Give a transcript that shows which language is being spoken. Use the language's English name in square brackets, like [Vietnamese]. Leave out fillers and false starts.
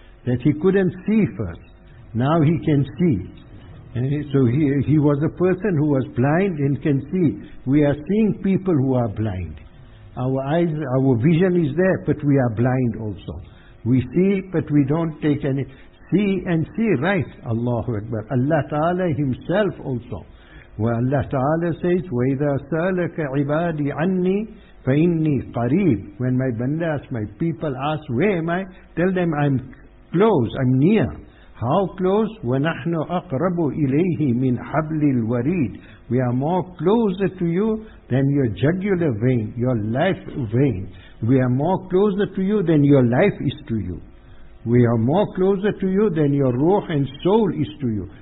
[English] That he couldn't see first. Now he can see. And so he was a person who was blind and can see. We are seeing people who are blind. Our eyes, our vision is there, but we are blind also. We see, but we don't take any. See and see right. Allahu Akbar. Allah Ta'ala himself also. Where Allah Ta'ala says, [Arabic] وَإِذَا سَأَلَكَ عِبَادِي عَنِّي فَإِنِّي قَرِيبٌ. [English] When my bandas, my people ask, where am I? Tell them, I'm close, I'm near. How close? [Arabic] وَنَحْنُ أَقْرَبُ إِلَيْهِ مِنْ حَبْلِ الْوَرِيدِ. [English] We are more closer to you than your jugular vein, your life vein. We are more closer to you than your life is to you. We are more closer to you than your ruh and soul is to you.